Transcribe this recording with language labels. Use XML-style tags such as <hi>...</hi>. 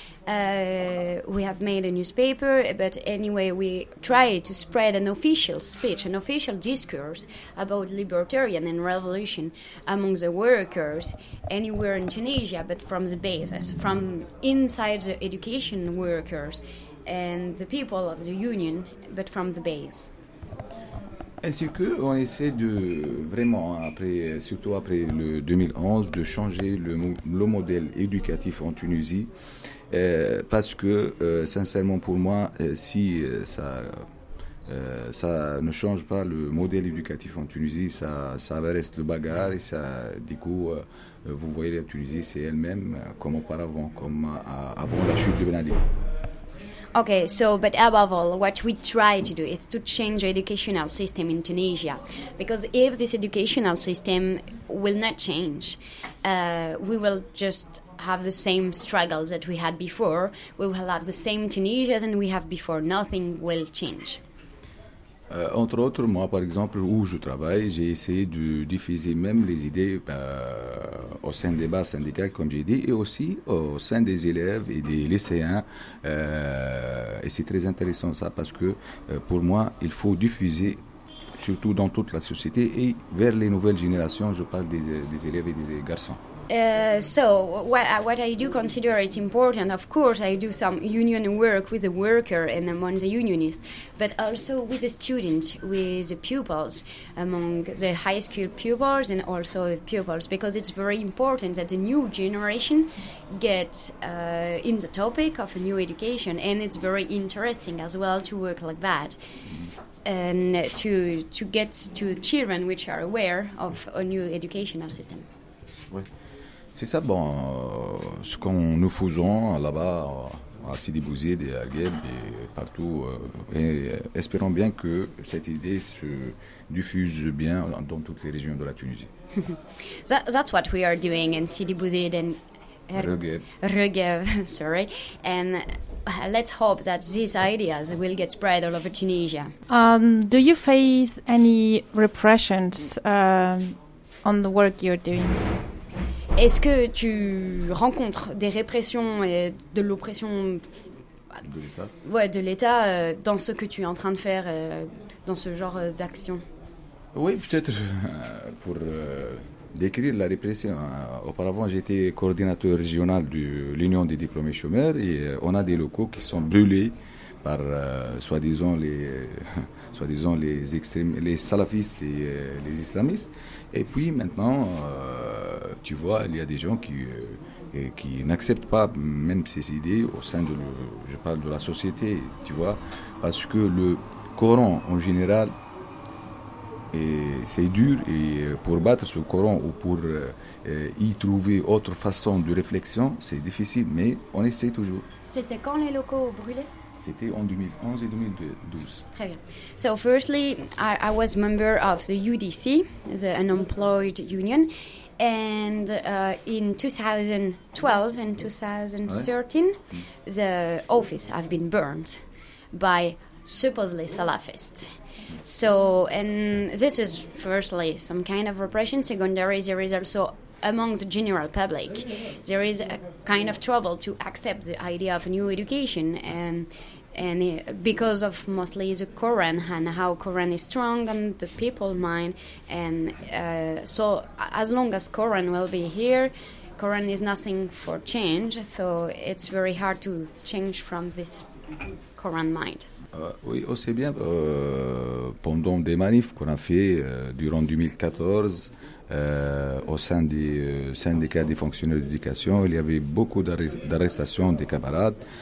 <en>We have made a newspaper, but anyway, we try to spread an official speech, an official discourse about libertarian and revolution among the workers anywhere in Tunisia, but from the basis, from inside the education workers and the people of the union, but from the base.</en> <fr>Ainsi qu'on essaie de vraiment, après, surtout après le 2011, de changer le modèle éducatif en Tunisie. Parce que, sincèrement pour moi, si ça ne change pas le modèle éducatif en Tunisie, ça reste le bagarre. Et ça, du coup, vous voyez, la Tunisie, c'est elle-même comme auparavant, comme avant la chute de Ben Ali.</fr> <en>Okay, so, but above all, what we try to do is to change the educational system in Tunisia. Because if this educational system will not change, we will just have the same struggles that we had before. We will have the same Tunisia as we have before. Nothing will change.</en> <fr>Entre autres, moi, par exemple, où je travaille, j'ai essayé de diffuser même les idées au sein des bases syndicales, comme j'ai dit, et aussi au sein des élèves et des lycéens. Et c'est très intéressant ça, parce que pour moi, il faut diffuser, surtout dans toute la société et vers les nouvelles générations, je parle des élèves et des garçons.</fr> <en>So what I do consider it important, of course, I do some union work with the worker and among the unionists, but also with the students, with the pupils, among the high school pupils and also the pupils, because it's very important that the new generation gets in the topic of a new education, and it's very interesting as well to work like that. And to get to children which are aware of a new educational system.</en> <fr>Oui. C'est ça, bon, ce qu'on nous faisons là-bas, à Sidi Bouzid et à Guèb et partout. Et espérons bien que cette idée se diffuse bien dans toutes les régions de la Tunisie.</fr> <en>That's what we are doing in Sidi Bouzid and Regev, sorry. And let's hope that these ideas will get spread all over Tunisia. Do you face any repressions on the work you're doing?</en> <fr>Est-ce que tu rencontres des répressions et de l'oppression de l'État, ouais, de l'État dans ce que tu es en train de faire, dans ce genre d'action? Oui, peut-être pour décrire la répression. Auparavant, j'étais coordinateur régional de l'Union des diplômés chômeurs et on a des locaux qui sont brûlés par soi-disant les extrémistes, les salafistes et les islamistes. Et puis maintenant, tu vois, il y a des gens qui n'acceptent pas même ces idées au sein de, je parle de la société, tu vois, parce que le Coran en général, c'est dur, et pour battre ce Coran ou pour y trouver autre façon de réflexion, c'est difficile, mais on essaie toujours. C'était quand les locaux brûlaient? C'était en 2011 et 2012. Très bien.</fr> <en>So firstly, I was member of the UDC, the unemployed union, and in 2012 and 2013, ouais, the office have been burned by supposedly Salafists. So, and this is firstly some kind of repression. Secondary, there is also among the general public, there is a kind of trouble to accept the idea of a new education, and because of mostly the Quran and how Quran is strong on the people's mind, and so as long as Quran will be here, Quran is nothing for change. So it's very hard to change from this Quran mind.</en> <fr>Oui, aussi bien pendant des manifs qu'on a fait durant 2014. Au sein des syndicats des fonctionnaires d'éducation, il y avait beaucoup d'arrestations des camarades.</fr>